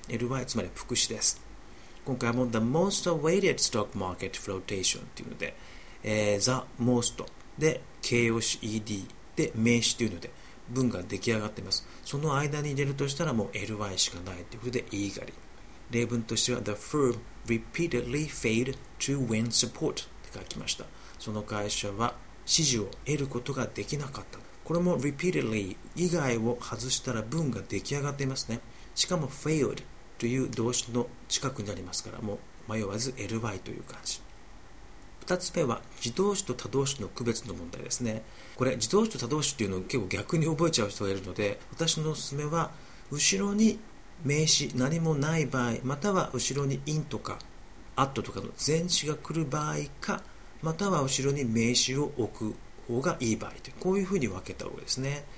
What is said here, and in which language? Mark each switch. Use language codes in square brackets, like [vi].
[ja] LY つまり副詞です。今回も [en] The most weighted stock market flotation [ja] というので、The most で形容詞 ED で名詞というので文が出来上がっています。その間に入れるとしたらもう LY しかないということで eagerly。例文としては [en] The firm repeatedly failed to win support [ja] って書きました。その会社は支持を得ることができなかった。これも repeatedly 以外を外したら文が出来上がっていますね。しかも failed という動詞の近くになりますから、もう迷わず ly という感じ。 2つ目は自動詞と他動詞の区別の問題ですね。これ自動詞と他動詞っていうのを結構逆に覚えちゃう人がいるので、私のおすすめは後ろに名詞何もない場合、または後ろに in とか at とかの前詞が来る場合か、または後ろに名詞を置く方がいい場合という、こういうふうに分けた方がですね。